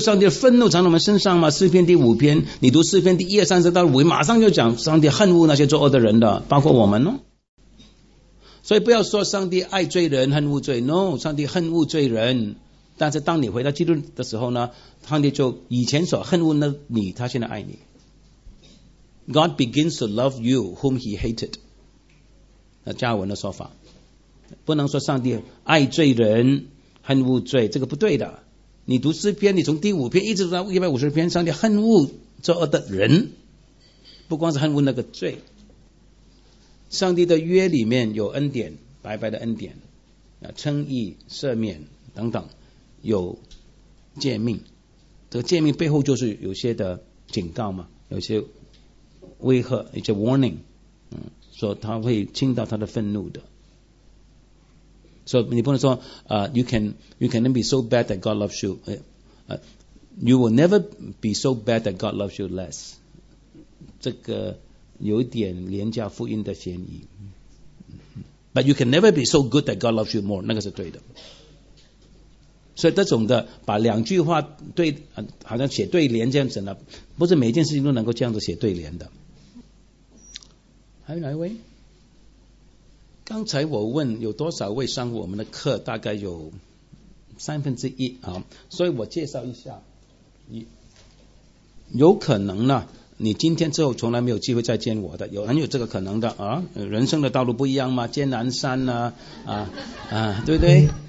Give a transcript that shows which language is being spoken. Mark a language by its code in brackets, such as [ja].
[zh] 上帝的愤怒藏在我们身上吗？诗篇第五篇，你读诗篇第一二三十到五，马上就讲上帝恨恶那些作恶的人的，包括我们哦。所以不要说上帝爱罪人恨恶罪 ，no， 上帝恨恶罪人，但是当你回到基督的时候呢，上帝就以前所恨恶的你，他现在爱你。 [en] God begins to love you whom he hated。 [zh] 那加尔文的说法。不能说上帝爱罪人恨恶罪，这个不对的。你读诗篇，你从第五篇一直读到一百五十篇，上帝恨恶作恶的人，不光是恨恶那个罪。上帝的约里面有恩典，白白的恩典啊，称义赦免等等，有诫命，这个诫命背后就是有些的警告嘛，有些威吓，一些 warning， 说他会倾倒他的愤怒的。 [en] 所、so, 以你不能说you can never be so bad that God loves you， you will never be so bad that God loves you less， [zh] 这个有点廉价福音的嫌疑。 [en] But you can never be so good that God loves you more， [zh] 那个是对的。所以这种的把两句话对好像写对联这样子呢，不是每件事情都能够这样子写对联的。还有哪一位？刚才我问有多少位上我们的课，大概有三分之一啊，所以我介绍一下，有可能呢，你今天之后从来没有机会再见我的，有很有这个可能的啊，人生的道路不一样嘛，艰难山呢、啊，啊，对不对？